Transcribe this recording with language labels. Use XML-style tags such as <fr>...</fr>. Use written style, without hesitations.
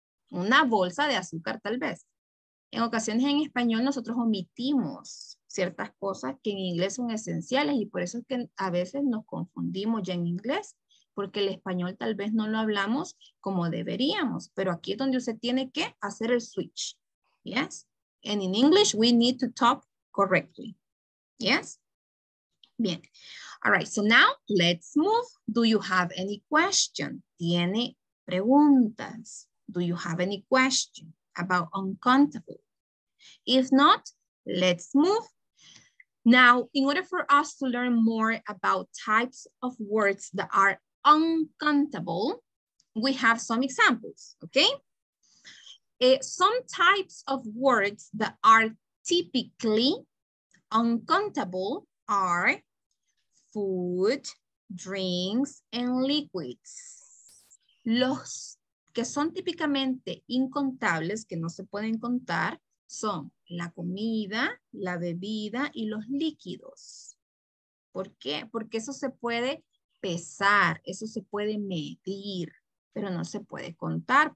<es>Una bolsa de azúcar, tal vez. En ocasiones en español nosotros omitimos ciertas cosas que en inglés son esenciales y por eso es que a veces nos confundimos ya en inglés, porque el español tal vez no lo hablamos como deberíamos, pero aquí es donde usted tiene que hacer el switch.</es> <en>Yes? And in English, we need to talk correctly. Yes? Bien. All right, so now let's move. Do you have any question?</en> <es>¿Tiene preguntas?</es> <en>Do you have any question about uncountable? If not, let's move. Now, in order for us to learn more about types of words that are uncountable, we have some examples, okay? Some types of words that are typically uncountable are food, drinks, and liquids.</en> <es>Los que son típicamente incontables, que no se pueden contar, son la comida, la bebida y los líquidos. ¿Por qué? Porque eso se puede pesar, eso se puede medir, pero no se puede contar.</es>